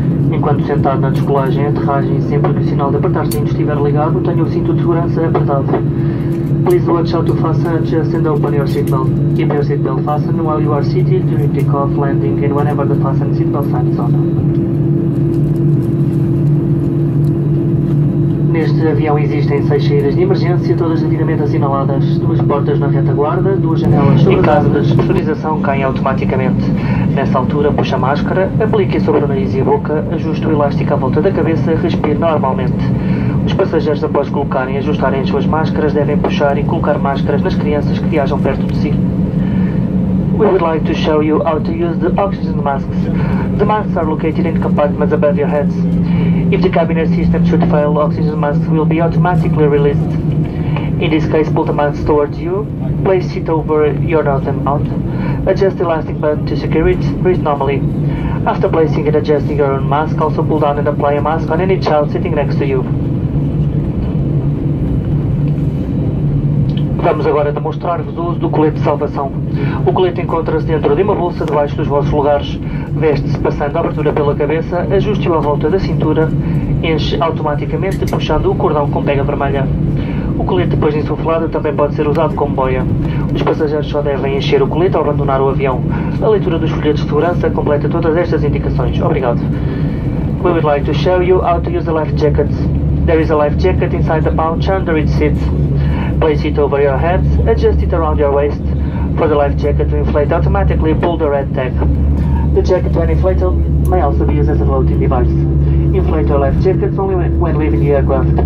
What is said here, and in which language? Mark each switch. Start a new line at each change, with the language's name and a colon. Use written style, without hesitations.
Portuguese: Enquanto sentado na descolagem, aterragem, sempre que o sinal de apertar cinto estiver ligado, tenha o cinto de segurança apertado.
English: Please watch out to fasten adjust and open your seatbelt. Keep your seatbelt fastened while you are seated during takeoff, landing and whenever the fastened seatbelt sign is on.
Portuguese: Neste avião existem 6 saídas de emergência, todas devidamente assinaladas. 2 portas na retaguarda, 2 janelas sobre a casa. Em caso de despressurização, caem automaticamente. Nessa altura, puxa a máscara, aplique sobre o nariz e a boca, ajuste o elástico à volta da cabeça, respire normalmente. Os passageiros, após colocarem e ajustarem as suas máscaras, devem puxar e colocar máscaras nas crianças que viajam perto de si.
English: We would like to show you how to use the oxygen masks. The masks are located in compartments above your heads. If the cabin air system should fail, oxygen masks will be automatically released. In this case, pull the mask towards you, place it over your nose and mouth, adjust the elastic band to secure it, breathe normally. After placing and adjusting your own mask, also pull down and apply a mask on any child sitting next to you.
Portuguese: Vamos agora demonstrar-vos o uso do colete de salvação. O colete encontra-se dentro de uma bolsa debaixo dos vossos lugares. Veste-se passando a abertura pela cabeça, ajuste-o à volta da cintura, enche automaticamente puxando o cordão com pega vermelha. O colete depois insuflado também pode ser usado como boia. Os passageiros só devem encher o colete ao abandonar o avião. A leitura dos folhetos de segurança completa todas estas indicações. Obrigado.
English: We would like to show you how to use a life jacket. There is a life jacket inside the pouch under each seat. Place it over your head, adjust it around your waist. For the life jacket to inflate automatically, pull the red tag. The jacket when inflated may also be used as a floating device. Inflate your life jackets only when leaving the aircraft.